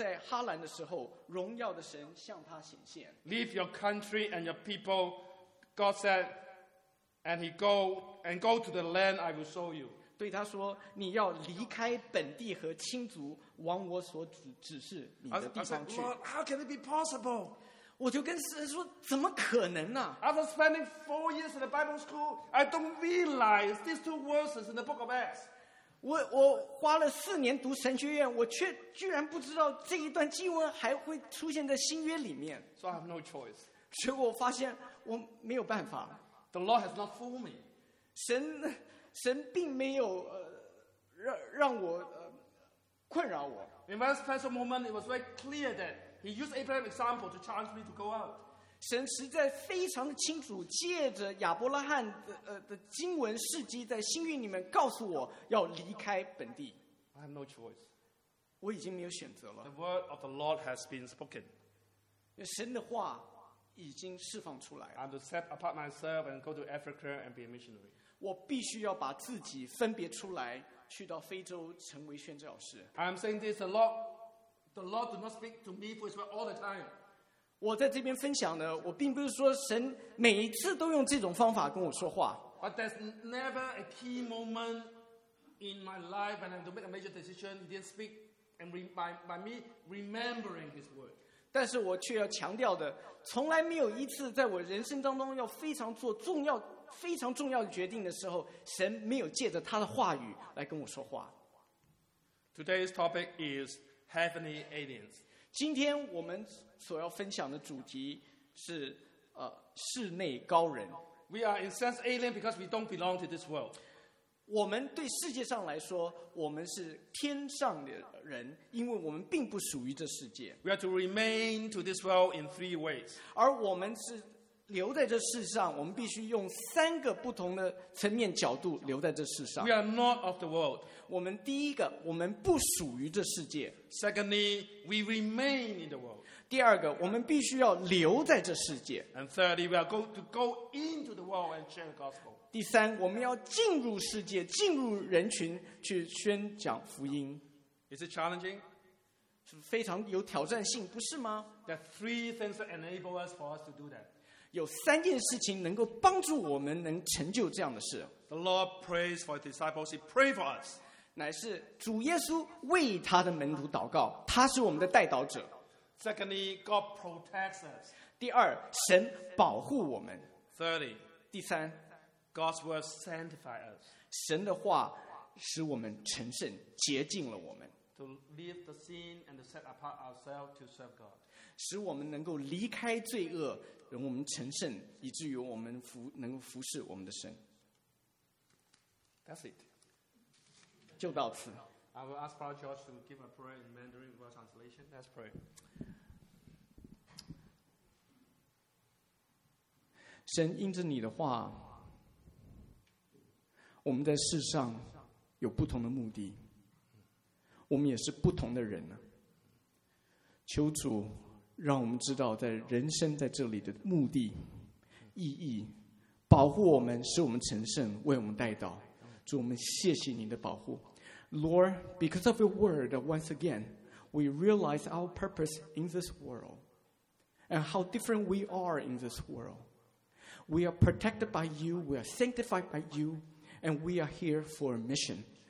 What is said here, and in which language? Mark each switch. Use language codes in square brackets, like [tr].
[zh] 斯提凡说：“诸位父兄，请听。当日我们祖宗亚伯拉罕在米索波达米亚还未在哈兰的时候，荣耀的神向他显现。” [en] Leave your country and your people, God said, and he go and go to the land I will show you. [zh] 对他说：“你要离开本地和亲族，往我所指示你的地方去。” [en] I said, Lord, how can it be possible? [zh] 我就跟神说：“怎么可能呢？” [en] After spending 4 years in the Bible school, I don't realize these 2 verses in the book of Acts. [zh] 我花了4年读神学院，我却居然不知道这一段经文还会出现在新约里面。 [en] So I have no choice. [zh] 结果我发现我没有办法。The [en] Lord has not fooled me. [zh] 神并没有让我困扰我。 [en] In my special moment, it was very clear that he used Abraham's example to challenge me to go out. [zh] 神实在非常的清楚，借着亚伯拉罕 的经文事迹，在新约里面告诉我要离开本地。 [en] I have no choice. [zh] 我已经没有选择了。 [en] The word of the Lord has been spoken. [zh] 神的话已经释放出来了。 [en] I'm to set apart myself and go to Africa and be a missionary. [zh] 我必须要把自己分别出来，去到非洲成为宣教士。 [en] I'm saying this a lot. The Lord does not speak to me for His word all the time. [zh] 我在这边分享呢，我并不是说神每一次都用这种方法跟我说话。 [en] But there's never a key moment in my life when I'm to make a major decision. He didn't speak and by me remembering His word. [zh] 但是我却要强调的，从来没有一次在我人生当中要非常做重要、非常重要的决定的时候，神没有借着他的话语来跟我说话。 [en] Today's topic is heavenly aliens. [zh] 今天我们所要分享的主题是室内高人。 [en] We are in sense alien because we don't belong to this world. [zh] 我们对世界上来说，我们是天上的人，因为我们并不属于这世界。 [en] We are to remain to this world in three ways. [zh] 而我们是留在这世上，我们必须用三个不同的层面角度留在这世上。 [en] We are not of the world. [zh] 我们第一个，我们不属于这世界。 [en] Secondly, we remain in the world. [zh] 第二个，我们必须要留在这世界。 [en] And thirdly, we are going to go into the world and share the gospel. [zh] 第三，我们要进入世界，进入人群去宣讲福音。 [en] Is it challenging? [zh] 是非常有挑战性，不是吗？ [en] There are three things that enable us for us to do that. [zh] 有三件事情能够帮助我们能成就这样的事。 [en] The Lord prays for His disciples. He prays for us. [zh] 乃是主耶稣为他的门徒祷告，他是我们的代祷者。 [en] Secondly, God protects us. [zh] 第二，神保护我们。 [en] Thirdly, [zh] 第三 [en] ，God's word sanctifies us. [zh] 神的话使我们成圣，洁净了我们。 [en] To leave the sin and to set apart ourselves to serve God. [zh] 使我们能够离开罪恶，让我们成圣，以至于我们能够服侍我们的神。 [en] That's it. [zh] 就到此。 [en] I will ask Father George to give a prayer in Mandarin for translation. Let's pray. [zh] 神，因着你的话，我们在世上有不同的目的，我们也是不同的人呢。求主。让我们知道在人生在这里的目的意义，保护我们，使我们成圣，为我们代祷。主，我们谢谢你的保护。 [en] Lord, because of your word, once again we realize our purpose in this world and how different we are in this world. We are protected by you, we are sanctified by you, and we are here for a mission.